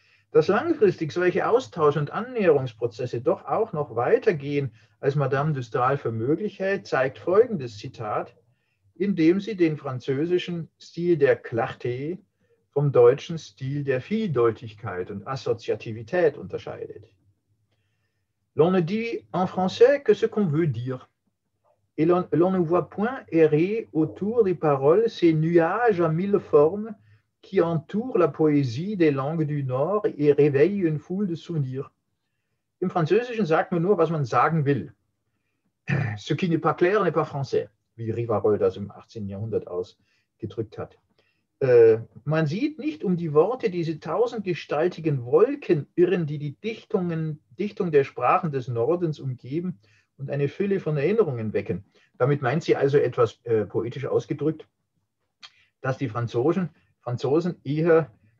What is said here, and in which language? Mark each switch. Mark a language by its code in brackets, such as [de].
[de] Dass langfristig solche Austausch- und Annäherungsprozesse doch auch noch weitergehen, als Madame de Stael für möglich hält, zeigt folgendes Zitat, in dem sie den französischen Stil der Clarté vom deutschen Stil der Vieldeutigkeit und Assoziativität unterscheidet. [fr] L'on ne dit en français que ce qu'on veut dire. Et l'on ne voit point errer autour des paroles ces nuages à mille formes qui entourent la poésie des langues du Nord et réveillent une foule de souvenirs. [de] Im Französischen sagt man nur, was man sagen will. [fr] Ce qui n'est pas clair n'est pas français, [de] wie Rivarol das im 18. Jahrhundert ausgedrückt hat. Man sieht nicht um die Worte diese tausendgestaltigen Wolken irren, die die Dichtung der Sprachen des Nordens umgeben und eine Fülle von Erinnerungen wecken. Damit meint sie also etwas poetisch ausgedrückt, dass die Franzosen eher